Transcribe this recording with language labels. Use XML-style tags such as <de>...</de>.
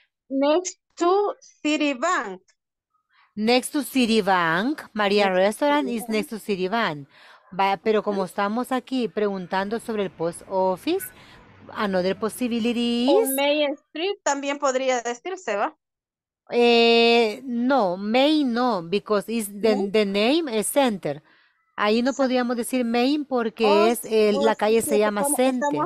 <en>Next to Citibank. Next to Citibank, Maria Restaurant is next to Citibank.</en> <es>Vaya, pero como estamos aquí preguntando sobre el post office,</es> <en>another possibility is...</en> <es>O Main Street también podría decirse, ¿va?</es> <en>No, Main no, because it's the name is Center.</en> <es>Ahí no podríamos decir Main porque la calle se llama Center.</es>